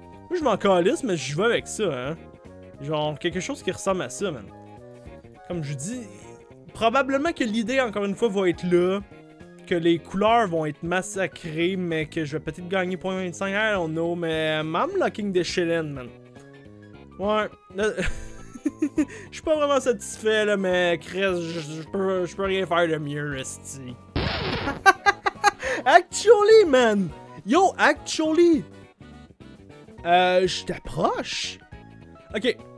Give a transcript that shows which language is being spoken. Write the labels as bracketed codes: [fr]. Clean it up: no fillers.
[fr] Moi, je m'en calisse, mais j'y vais avec ça, hein. Genre, quelque chose qui ressemble à ça, man. Comme je dis, probablement que l'idée, encore une fois, va être là. Que les couleurs vont être massacrées, mais que je vais peut-être gagner 0.25, [en] I don't know. Mais I'm locking the shit in, man. [fr] Ouais. Je suis pas vraiment satisfait, là, mais Chris, je peux rien faire de mieux, Rusty. [en] Actually, man! Yo, actually! [fr] Je t'approche? [en] Ok.